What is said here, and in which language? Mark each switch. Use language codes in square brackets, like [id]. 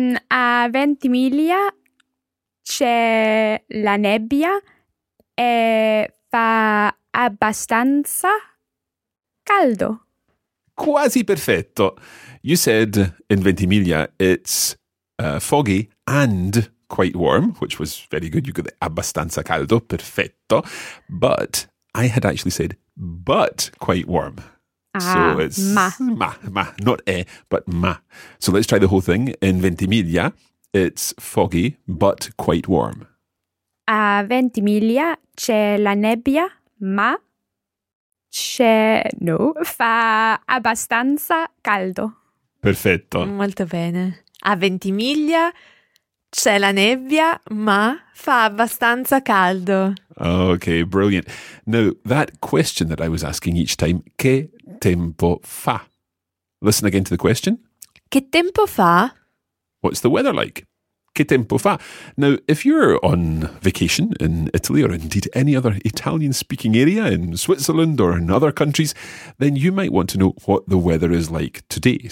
[it] A Ventimiglia c'è la nebbia e fa abbastanza caldo. Quasi perfetto. [en] You said in Ventimiglia it's foggy and quite warm, which was very good. You got the [it] abbastanza caldo, perfetto. [en] But I had actually said but quite warm. So it's ma, not e, but ma. So let's try the whole thing. In Ventimiglia, it's foggy, but quite warm. [it] A Ventimiglia c'è la nebbia, ma c'è, no, fa abbastanza caldo. Perfetto. Molto bene. A Ventimiglia c'è la nebbia, ma fa abbastanza caldo. [en] Okay, brilliant. Now, that question that I was asking each time, [it] che tempo fa? [en] Listen again to the question. [it] Che tempo fa? [en] What's the weather like? [it] Che tempo fa? [en] Now, if you're on vacation in Italy or indeed any other Italian-speaking area in Switzerland or in other countries, then you might want to know what the weather is like today.